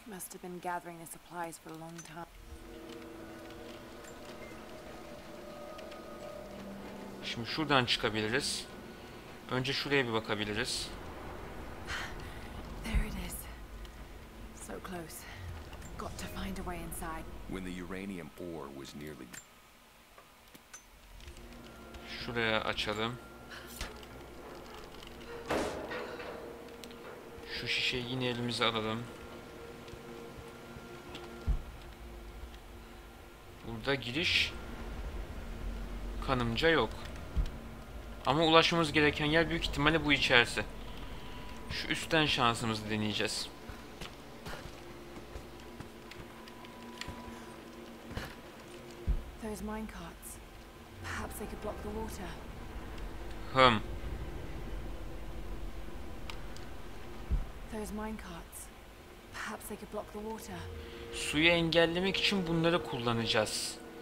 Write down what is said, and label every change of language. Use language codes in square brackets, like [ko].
[en] Must have been gathering the supplies for a long time. [tr] Şimdi şuradan çıkabiliriz. Önce şuraya bir bakabiliriz. [en] There it is. So close. Got to find a way inside. When the uranium ore was nearly... [tr] Şuraya açalım. Şu şişeyi yine elimize alalım. Burada giriş kanımca yok. Ama ulaşmamız gereken yer büyük ihtimalle bu içerisi. Şu üstten şansımızı deneyeceğiz. [en] Those mine carts. Perhaps they could block the water. Those mine carts. Perhaps they could block the water. [tr] Suyu engellemek için bunları kullanacağız.